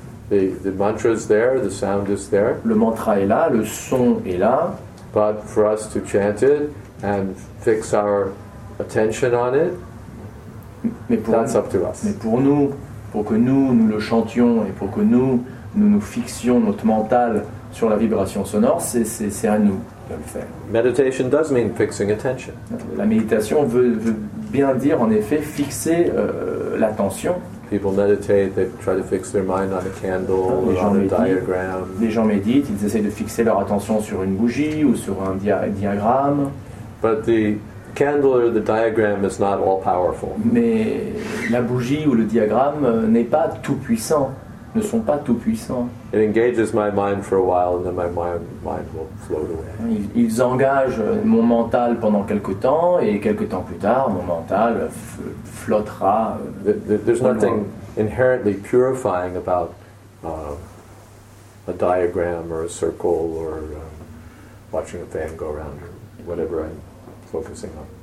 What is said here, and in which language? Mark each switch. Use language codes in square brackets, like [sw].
[en] The mantra is there, the sound is there. [fr] Le mantra est là, le son est là. [en] But for us to chant it and fix our attention on it, that's up to us. [fr] Mais pour nous, pour que nous le chantions et pour que nous nous fixions notre mental sur la vibration sonore, c'est à nous de le faire. [en] Meditation does mean fixing attention. [fr] La méditation veut bien dire en effet fixer l'attention. [en] People meditate, they try to fix their mind on a candle or on a diagram. [fr] Les gens méditent, ils essaient de fixer leur attention sur une bougie ou sur un diagramme. [en] But the candle or the diagram is not all powerful. [fr] Mais la bougie ou le diagramme n'est pas tout puissant, ne sont pas tout puissants. [en] It engages my mind for a while and then my mind will float away. [fr] Ils engagent mon mental pendant quelque temps et quelque temps plus tard mon mental flottera. [en] There's nothing inherently purifying about a diagram or a circle or watching a fan go around or whatever I'm focusing on.